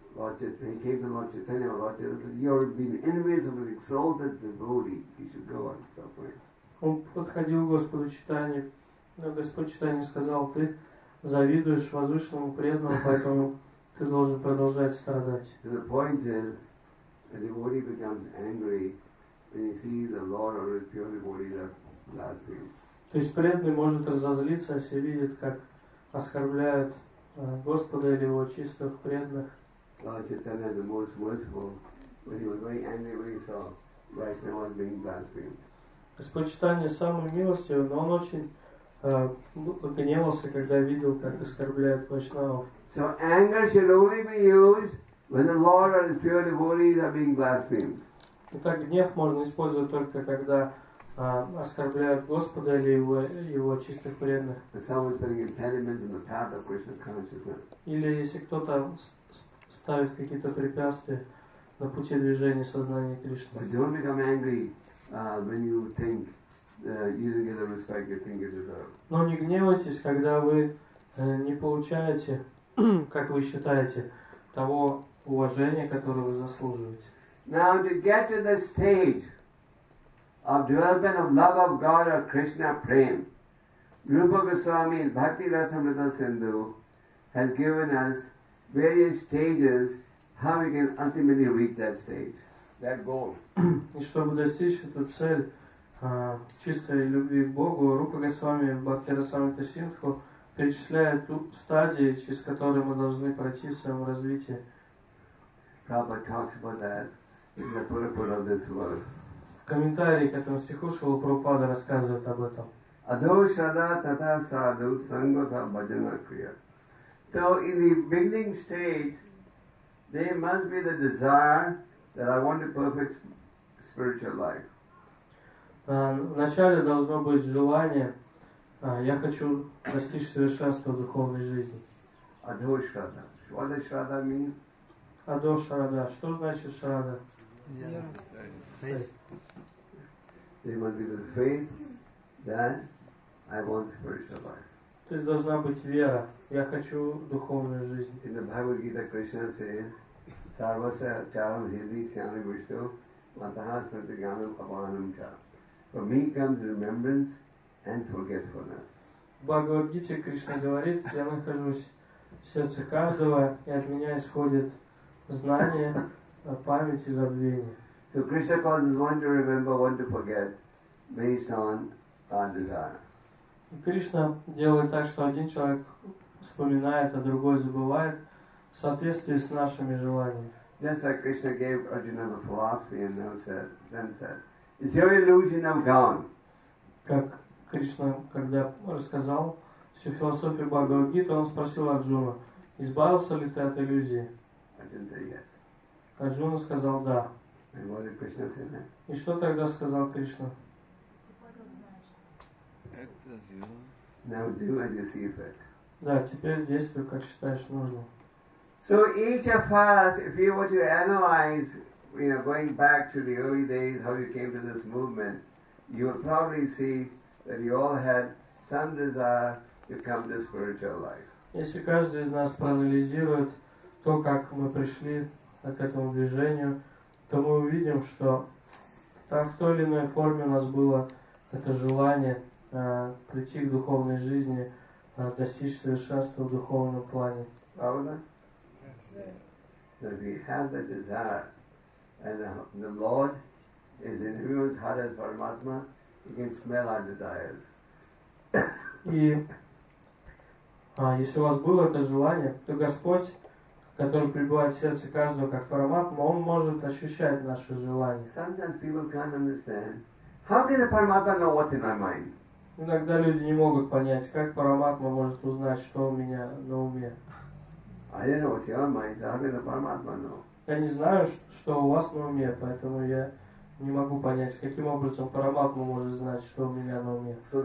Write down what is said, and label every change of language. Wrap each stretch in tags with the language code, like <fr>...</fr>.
<ru>Он подходил к Господу Читанию, но Господь Читанию сказал: «Ты завидуешь возвышенному преданному, поэтому ты должен продолжать страдать».</ru> <en>The point is, a devotee becomes angry when he sees a lord or a pure devotee that blasphemes.</en> <ru>То есть преданный может разозлиться, если видит, как оскорбляют Господа или его чистых преданных.</ru> <en>Lord Chaitanya, the most merciful, when he was very angry when he saw Vaishnavas being blasphemed.</en> <ru>Господь Читания самый милостивый, но он очень гневался, когда видел, как оскорбляют вайшнавов.</ru> <en>So anger should only be used when the Lord or his pure devotees are being blasphemed.</en> <ru>Итак, гнев можно использовать только когда оскорбляют Господа или его чистых преданных.</ru> <en>Someone is putting impediments in the path of Krishna consciousness.</en> <ru>Или если кто-то ставит какие-то препятствия на пути движения сознания Кришны.</ru> <en>But don't become angry when you think you don't get the respect you think you deserve.</en> <ru>Но не гневайтесь, когда вы не получаете, как вы считаете, того уважения, которое вы заслуживаете.</ru> <en>Now to get to the stage of development of love of God or Krishna Prem, Rupa Goswami in Bhakti Rasamrita Sindhu has given us various stages how we can ultimately reach that stage, that goal.</en> <ru>И чтобы достичь эту цель чистой любви к Богу, Рупа Госвами в Бхакти Расамрита Синдху перечисляет ту стадии, через которые мы должны пройти в своем развитии.</ru> <en>Prabhupada talks about that in the purport of this world.</en> <ru>В комментарии к этому стиху Шрила Прабхупада рассказывает об этом.</ru> <sa>Адхо шрада тата садху сангата бхаджана крия.</sa> <en>So in the beginning stage, there must be the desire that I want a perfect spiritual life.</en> <ru>Вначале должно быть желание, я хочу достичь совершенства духовной жизни.</ru> <sa>Адхо шрада.</sa> <en>What does шрада mean?</en> <sa>Адхо шрада.</sa> <ru>Что значит шрада?</ru> <en>Faith. There must be the faith that I want spiritual life.</en> <ru>То есть должна быть вера. Я хочу духовную жизнь.</ru> <en>In the Bhagavad Gita, Krishna says,</en> <sa>"Sarvasya charam hidhi syanam vishto, mataha smriti gamam apahanam cha."</sa> <en>For me comes remembrance and forgetfulness.</en> <ru>В Бхагавад Гите Кришна говорит: я нахожусь в сердце каждого, и от меня исходит знание, память и забвение.</ru> <en>So Krishna causes one to remember, one to forget, based on our desire.</en> <ru>И Кришна делает так, что один человек вспоминает, а другой забывает в соответствии с нашими желаниями.</ru> <en>Just like Krishna gave Arjuna the philosophy and then said, "Is your illusion of gone?"</en> <ru>Как Кришна, когда рассказал всю философию Бхагавад-гиты, он спросил Арджуна: избавился ли ты от иллюзии?</ru> <en>Arjuna said yes.</en> <ru>Арджуна сказал да.</ru> <en>And what did Krishna say then?</en> <ru>И что тогда сказал Кришна?</ru> <en>Now do as you see fit.</en> <ru>Да, теперь действуй, как считаешь нужным.</ru> <en>So each of us, if you were to analyze, you know, going back to the early days, how you came to this movement, you would probably see that you all had some desire to come to spiritual life.</en> <ru>Если каждый из нас проанализирует то, как мы пришли к этому движению, то мы увидим, что там в той или иной форме у нас было это желание прийти к духовной жизни, достичь совершенства в духовном плане. Правда?</ru> <en>So we have the desire, and the Lord is in whose heart as Paramatma, he can smell our desires.</en> <ru>И если у вас было это желание, то Господь, который пребывает в сердце каждого как Параматма, он может ощущать наше желание.</ru> <en>Sometimes people can't understand. How can a Paramatma know what's in my mind?</en> <ru>Иногда люди не могут понять, как Параматма может узнать, что у меня на уме. Я не знаю, что у вас на уме, поэтому я не могу понять, каким образом Параматма может знать, что у меня на уме.</ru>